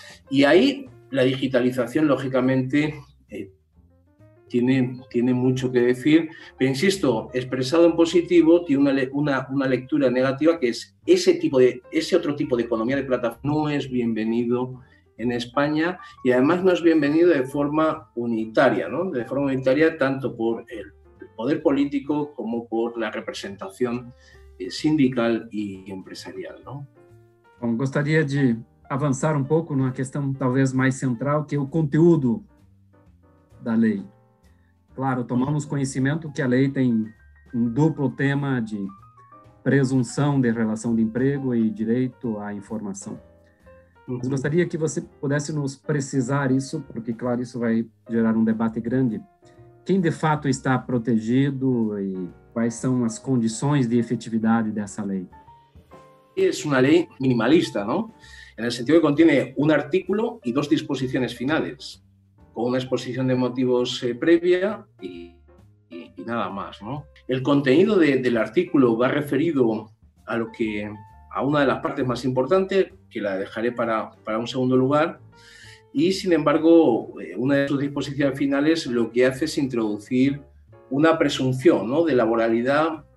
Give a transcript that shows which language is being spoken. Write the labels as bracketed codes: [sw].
[es] Y ahí la digitalización, lógicamente, tiene mucho que decir, pero insisto, expresado en positivo, tiene una lectura negativa, que es ese otro tipo de economía de plataforma no es bienvenido en España, y además no es bienvenido de forma unitaria, ¿no?, de forma unitaria tanto por el poder político como por la representación sindical y empresarial, ¿no? [pt] Bom, gostaria de avançar um pouco numa questão talvez mais central, que é o conteúdo da lei. Claro, tomamos conhecimento que a lei tem um duplo tema de presunção de relação de emprego e direito à informação. Mas gostaria que você pudesse nos precisar isso, porque, claro, isso vai gerar um debate grande. Quem, de fato, está protegido e quais são as condições de efetividade dessa lei? É uma lei minimalista, não? No sentido que contém um artículo e 2 disposições finais, com uma exposição de motivos prévia e nada mais, não? O conteúdo do artículo vai referido [es] a lo que a una de las partes más importantes, que la dejaré para un segundo lugar, y sin embargo, una de sus disposiciones finales lo que hace es introducir una presunción, ¿no?, de laboralidad